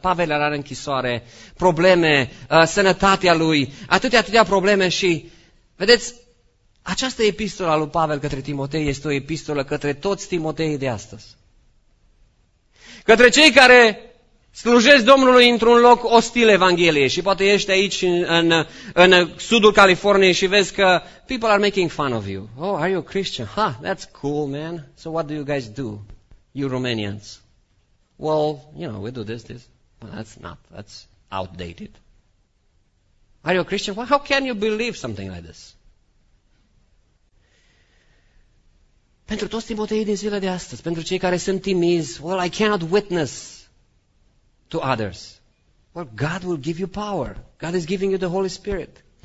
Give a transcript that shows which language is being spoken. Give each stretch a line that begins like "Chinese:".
Romanian: Pavel era în închisoare, probleme, sănătatea lui, atâtea probleme și, vedeți, această epistolă a lui Pavel către Timotei este o epistolă către toți Timoteii de astăzi. Către cei care Slujești Domnului într-un loc ostil Evangheliei și poate ești aici în sudul Californiei și vezi că
English: people are making fun of you. Oh, are you a Christian? Ha, that's cool, man. So what do you guys do, you Romanians? Well, you know, we do this, this. Well, that's outdated. Are you a Christian? Well, how can you believe something like this?
Romanian: Pentru toți timoteii din zilele de astăzi, pentru cei care sunt timizi,
English: well, I cannot witness to others. Well, God will give you power. God is giving you the Holy Spirit.